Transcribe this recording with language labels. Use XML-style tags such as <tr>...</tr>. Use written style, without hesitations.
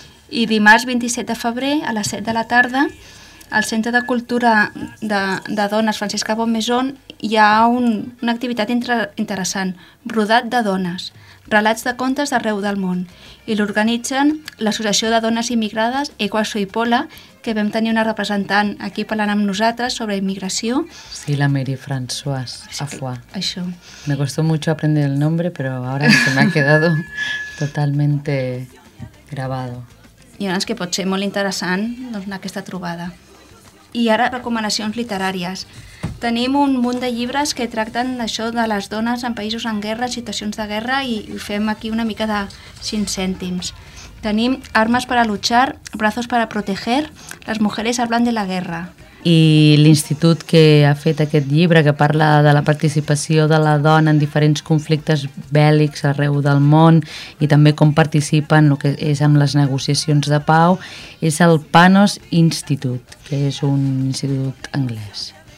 <ca>I dimarts 27 de febrer a les 7 de la tarda al Centre de Cultura de Dones Francesca Bonmesón hi ha una activitat interessant, Brodat de Dones, relats de contes d'arreu del món. I l'organitzen l'Associació de Dones Immigrades, Equa Soy Pola, que vam tenir una representant aquí parlant amb nosaltres sobre immigració. Sí, la Mary Françoise Afua. Això.</ca> <es>Me costó mucho aprender el nombre, pero ahora se me ha quedado totalmente grabado.</es> <ca>I doncs que pot ser molt interessant doncs, aquesta trobada. I ara recomanacions literàries. Tenim un munt de llibres que tracten això de les dones en països en guerra, situacions de guerra, i fem aquí una mica de 5 cèntims. Tenim Armes para luchar, Brazos para proteger, Las mujeres hablan de la guerra. I l'institut que ha fet aquest llibre, que parla de la participació de la dona en diferents conflictes bèl·lics arreu del món i també com participa en el que és amb les negociacions de pau, és el Panos Institute, que és un institut anglès.</ca>